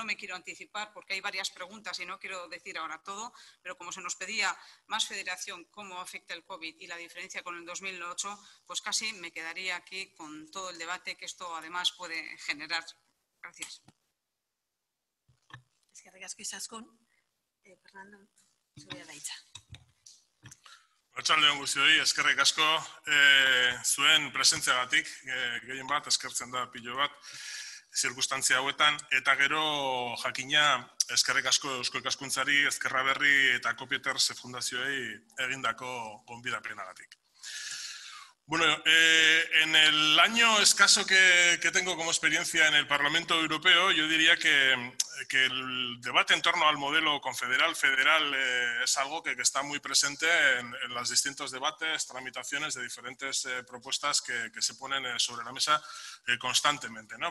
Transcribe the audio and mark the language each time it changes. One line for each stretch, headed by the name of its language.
Spanish: No me quiero anticipar porque hay varias preguntas y no quiero decir ahora todo, pero como se nos pedía más federación, cómo afecta el COVID y la diferencia con el 2008, pues casi me quedaría aquí con todo el debate que esto además puede generar. Gracias. Es que regas quizás con Fernando, se voy a la hecha.
Basque: Arratsaldeon guztioi, eskerrik asko zuen presentziagatik, gehien bat, eskertzen da pilo bat, zirkustantzia hauetan, eta gero jakina eskerrik asko Eusko Ikaskuntzari, Ezkerra Berri eta Kopieter Fundazioei egindako gonbidapenagatik.
Spanish: Bueno, en el año escaso que tengo como experiencia en el Parlamento Europeo, yo diría que que el debate en torno al modelo confederal-federal es algo que está muy presente en los distintos debates, tramitaciones de diferentes propuestas que se ponen sobre la mesa constantemente, ¿no?